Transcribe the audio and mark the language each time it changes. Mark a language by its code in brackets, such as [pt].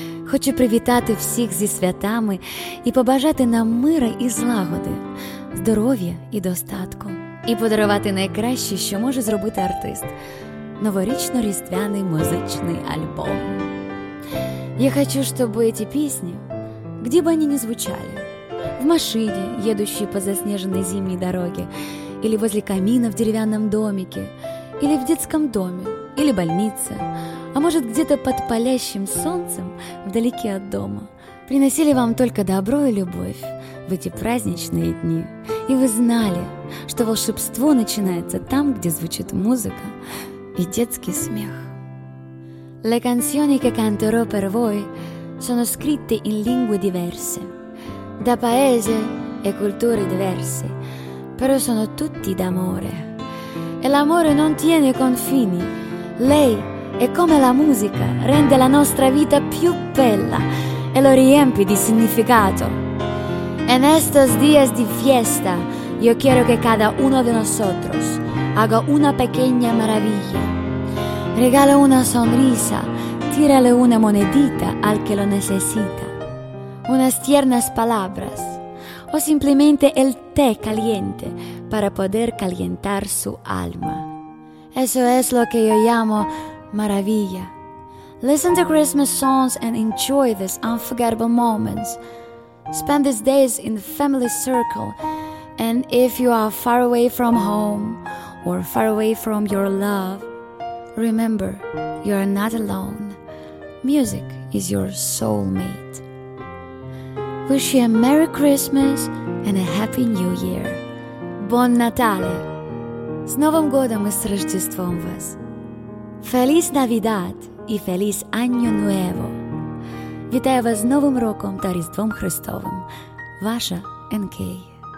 [uk] Хочу привітати всіх зі святами і побажати нам мира і злагоди, здоров'я і достатку. І подарувати найкраще, що може зробити артист – новорічно-різдвяний музичний альбом. [ru] Я хочу, чтобы эти песни, где бы они ни звучали, в машине, едущей по заснеженной зимней дороге, или возле камина в деревянном домике, или в детском доме, или больнице, а может, где-то под палящим солнцем, вдалеке от дома, приносили вам только добро и любовь в эти праздничные дни. И вы знали, что волшебство начинается там, где звучит музыка и детский смех. [it] Le canzoni che canterò per voi sono scritte in lingue diverse, da paesi e culture diverse, però sono tutti d'amore. E l'amore non tiene confini, lei è come la musica, rende la nostra vita più bella e lo riempie di significato. [es] En estos días de fiesta yo quiero que cada uno de nosotros haga una pequeña maravilla. Regala una sonrisa, tírale una monedita al que lo necesita. Unas tiernas palabras o simplemente el té caliente para poder calentar su alma. Eso es lo que yo llamo maravilla. [en] Listen to Christmas songs and enjoy these unforgettable moments. Spend these days in the family circle, and if you are far away from home or far away from your love, remember, you are not alone. Music is your soulmate. Wish you a Merry Christmas and a Happy New Year. [it] Buon Natale! [ru] С Новым годом и с Рождеством вас! [es] Feliz Navidad и Feliz Año Nuevo! [uk] Вітаю вас з Новым роком та Різдвом Христовым! Ваша НК.